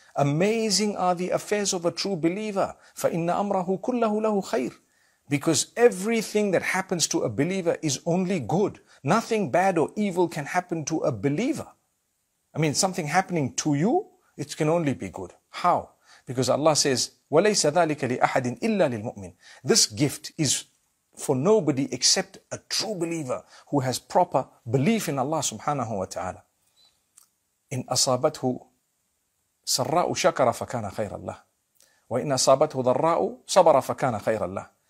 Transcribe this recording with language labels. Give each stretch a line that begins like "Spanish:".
English: Amazing are the affairs of a true believer.
Arabic: فَإِنَّ أَمْرَهُ كُلَّهُ لَهُ خَيْرٌ.
English: Because everything that happens to a believer is only good. Nothing bad or evil can happen to a believer. I mean, something happening to you, it can only be good. How? Because Allah says,
Arabic: وَلَيْسَ ذَلِكَ لِأَحَدٍ إِلَّا لِلْمُؤْمِنِ.
English: This gift is for nobody except a true believer who has proper belief in Allah subhanahu wa ta'ala.
Arabic: إِنْ أَصَابَتْهُ سَرَّاءُ شَكَرَ فَكَانَ خَيْرَ اللَّهِ وَإِنْ أَصَابَتْهُ ضَرَّاءُ صَبَرَ فَكَانَ خَيْرَ اللَّهِ.